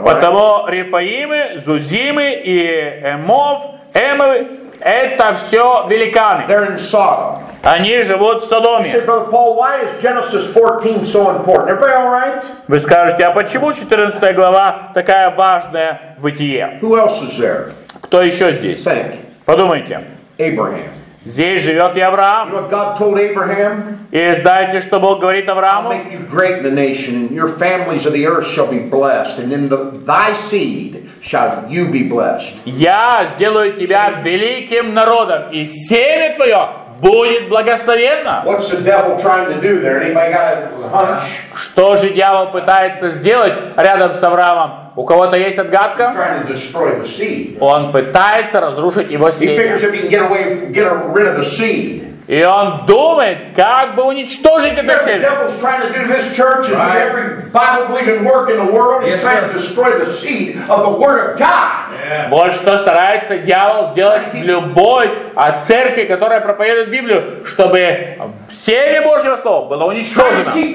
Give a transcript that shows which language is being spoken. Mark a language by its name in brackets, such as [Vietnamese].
[Russian] Потому Рефаимы, Зузимы и Эмов, Эмовы, это все великаны. [English] They're in Sodom. [Russian] Они живут в Содоме. [English] Said, Brother Paul, why is Genesis 14 so important? Everybody all right? [Russian] Вы скажете, а почему 14 глава такая важная в Бытие? [English] Who else is there? [Russian] Кто еще здесь? [English] Think. [Russian] Подумайте. [English] Abraham. [Russian] Здесь живет и Авраам. [English] You know what God told Abraham? [Russian] И знаете, что Бог говорит Аврааму? [English] I'll make you great in the nation, and your families of the earth shall be blessed, and in the, thy seed shall you be blessed. [Russian] Я сделаю тебя великим народом, и семя твое будет благословенно. [English] What's the devil trying to do there? Anybody got a hunch? [Russian] Что же дьявол пытается сделать рядом с Авраамом? У кого-то есть отгадка? [English] He's trying to destroy the seed. [Russian] Он пытается разрушить его семя. [English] He figures if he can get away, get rid of the seed. [Russian] И он думает, как бы уничтожить это семя. [English] The devil's trying to do this church and right. Every Bible-believing work in the world. He's trying to destroy the seed of the Word of God. [Russian] Вот что старается дьявол сделать в любой церкви, которая проповедует Библию, чтобы семя Божьего Слова было уничтожено.